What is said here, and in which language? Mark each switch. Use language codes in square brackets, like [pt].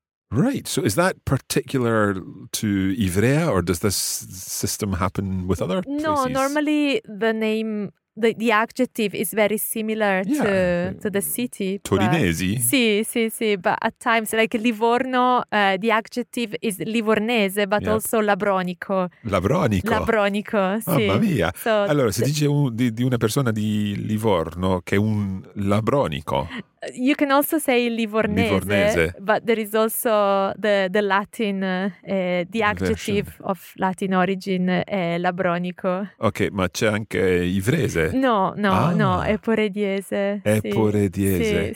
[en] Right, so is that particular to Ivrea or does this system happen with other places? No, normally the name... The adjective is very similar yeah. to the city. [it] Torinesi? But, sì, sì, sì. [en] But at times, like Livorno, the adjective is Livornese, but yep. also Labronico. [it] Labronico? Labronico, sì. Mamma mia. So, allora, si dice di una persona di Livorno che è un Labronico. [en] You can also say Livornese. But there is also the Latin, the adjective version. Of Latin origin, Labronico. [it] Okay, ma c'è anche Ivrese? No, no, ah. no, Eporediese. Eporediese.